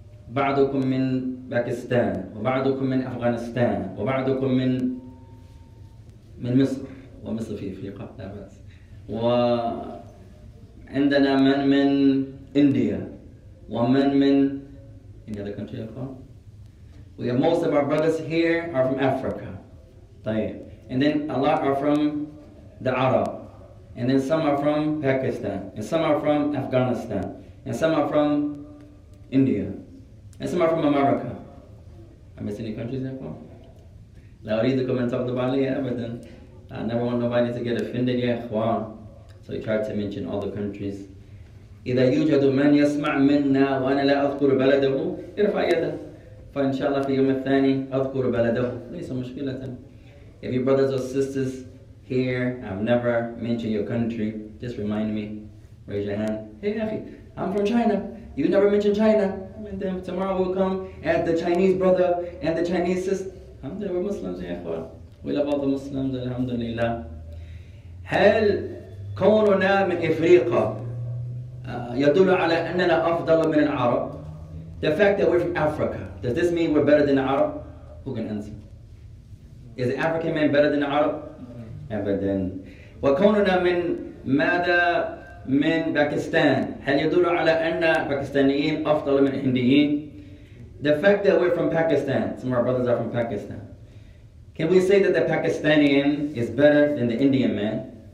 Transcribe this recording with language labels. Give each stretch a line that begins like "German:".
Arabic: وبعضكم من باكستان وبعضكم من أفغانستان وبعضكم من مصر ومصر في أفريقيا لا بأس. وعندنا من إنديا ومن من
English: any other country you call? We have most of our brothers here are from Africa.
Arabic: طيب.
English: And then a lot are from the Arab. And then some are from Pakistan, and some are from Afghanistan, and some are from India, and some are from America. I miss any countries there for? لا أريدكم أن تغضب علي أبدا. I never want nobody to get offended, يا إخوان. So he tried to mention all the countries.
Arabic: إذا يوجد من يسمع منا وأنا لا أذكر بلده ارفع يده. فإن شاء الله في يوم الثاني أذكر بلده. ليس مشكلة.
English: If your brothers or sisters here, I've never mentioned your country. Just remind me. Raise your hand. Hey, Afi, I'm from China. You never mentioned China. And then tomorrow we'll come as the Chinese brother and the Chinese sister. Alhamdulillah, we're Muslims, yeah. We love all the Muslims, alhamdulillah.
Arabic: هل كوننا من إفريقيا يدل على أننا أفضل من العرب?
English: The fact that we're from Africa, does this mean we're better than the Arab? Who can answer? Is the African man better than the Arab?
Arabic: أبداً. وكوننا من ماذا من باكستان هل يدل على أن باكستانيين أفضل من هنديين?
English: The fact that we're from Pakistan, some of our brothers are from Pakistan. Can we say that the Pakistanian is better than the Indian man?